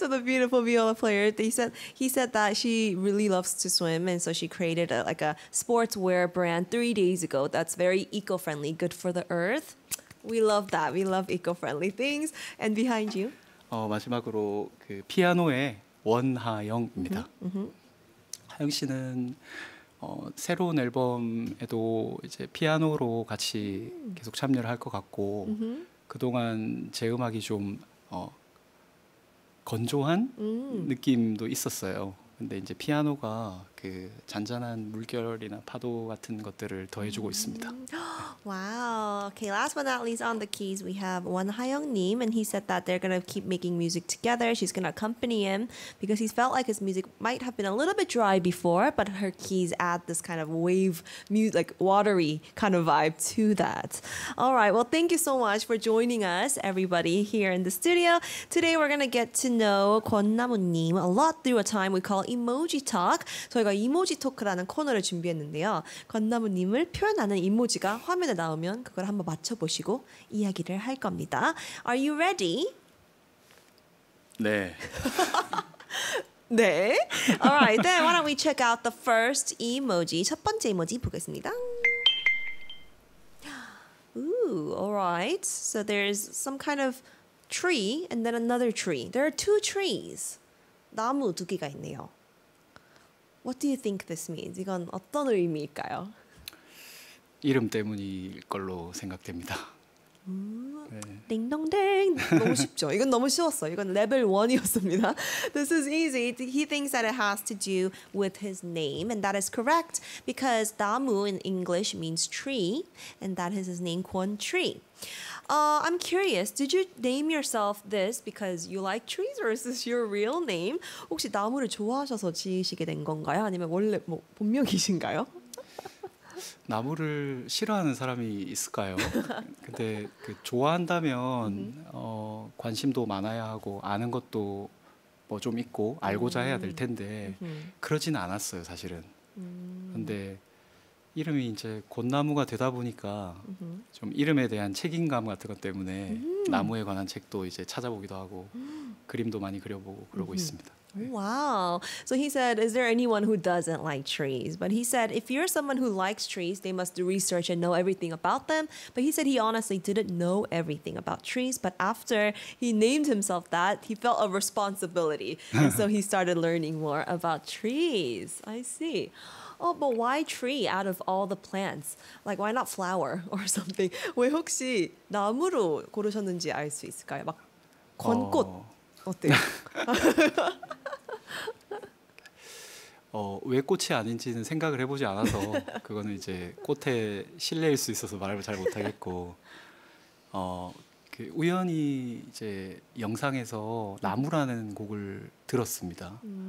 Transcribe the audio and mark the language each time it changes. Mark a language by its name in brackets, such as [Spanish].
[English] So the beautiful viola player, he said that she really loves to swim and so she created a sportswear brand 3 days ago that's very eco-friendly, good for the earth. We love that. We love eco-friendly things. And behind you? [Korean] 마지막으로 그 피아노의 원하영입니다. 하영 씨는 새로운 앨범에도 이제 피아노로 같이 계속 참여를 할 것 같고 그동안 제 음악이 좀 건조한 느낌도 있었어요. 근데 이제 피아노가 그 잔잔한 물결이나 파도 같은 것들을 더해주고 있습니다. [English] Wow. Okay, last but not least on the keys, we have Wonhyeong-nim, and he said that they're going to keep making music together. She's going to accompany him because he felt like his music might have been a little bit dry before, but her keys add this kind of wave, like watery kind of vibe to that. All right, well, thank you so much for joining us, everybody, here in the studio. Today, we're going to get to know Kwon-namu-nim a lot through a time we call Emoji Talk. [Korean] 저희가 이모지 토크라는 코너를 준비했는데요. 건나무님을 표현하는 이모지가 화면에 나오면 그걸 한번 맞춰보시고 이야기를 할 겁니다. [English] Are you ready? [Korean] 네. 네. [English] Alright, then why don't we check out the first emoji. [Korean] 첫 번째 이모지 보겠습니다. [English] Ooh, alright. So there's some kind of tree and then another tree. There are two trees. [Korean] 나무 두 개가 있네요. [English] What do you think this means? [Korean] 이건 어떤 의미일까요? 이름 때문일 걸로 생각됩니다. 네. 딩동댕! 너무 쉽죠? 이건 너무 쉬웠어요. 이건 레벨 1이었습니다. [English] This is easy. He thinks that it has to do with his name. And that is correct. Because 나무 in English means tree. And that is his name, Kwon Tree. I'm curious. Did you name yourself this because you like trees or is this your real name? [Korean] 혹시 나무를 좋아하셔서 지으시게 된 건가요? 아니면 원래 뭐 본명이신가요? 나무를 싫어하는 사람이 있을까요? 근데 그 좋아한다면 관심도 많아야 하고 아는 것도 뭐 좀 있고 알고자 해야 될 텐데 그러진 않았어요, 사실은. 근데 이름이 이제 곤나무가 되다 보니까 좀 이름에 대한 책임감 같은 것 때문에 나무에 관한 책도 이제 찾아보기도 하고 그림도 많이 그려보고 그러고 있습니다. [English] Wow. So he said, is there anyone who doesn't like trees? But he said, if you're someone who likes trees, they must do research and know everything about them. But he said he honestly didn't know everything about trees. But after he named himself that, he felt a responsibility. And so he started learning more about trees. I see. Oh, but why tree out of all the plants? Like, why not flower or something? [Korean] 왜 혹시 나무로 고르셨는지 알 수 있을까요? 막 권꽃 어때요? 왜 꽃이 아닌지는 생각을 해보지 않아서 그거는 이제 꽃의 신뢰일 수 있어서 말을 잘 못하겠고 그 우연히 이제 영상에서 나무라는 곡을 들었습니다.